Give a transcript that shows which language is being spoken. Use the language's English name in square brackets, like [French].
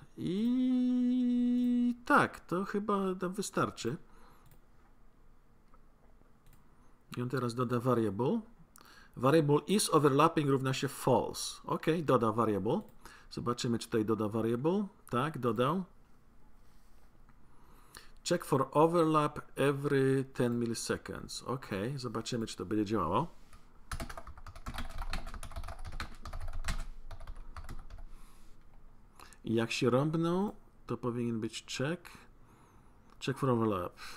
[Polish] I tak, to chyba tam wystarczy. I on teraz doda variable. Variable is overlapping równa się false. Ok, doda variable. Zobaczymy, czy tutaj doda variable. Tak, dodał. [English] Check for overlap every 10 milliseconds. [Polish] Ok, zobaczymy, czy to będzie działało. I jak się rąbną, to powinien być check. [English] Check for overlap.